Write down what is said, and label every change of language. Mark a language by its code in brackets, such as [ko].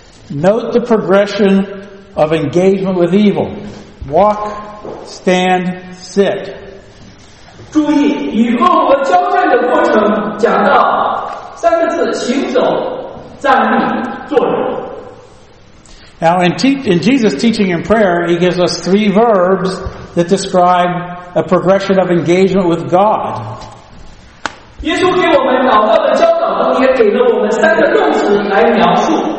[en] Note the progression of engagement with evil. Walk, stand, sit. [zh] 注意与恶魔交战的过程，讲到三个字：行走、站立、坐着。 [en] Now, in Jesus' teaching in prayer, he gives us three verbs that describe a progression of engagement with God. [zh] 耶稣给我们祷告的教导中也给了我们三个动词来描述。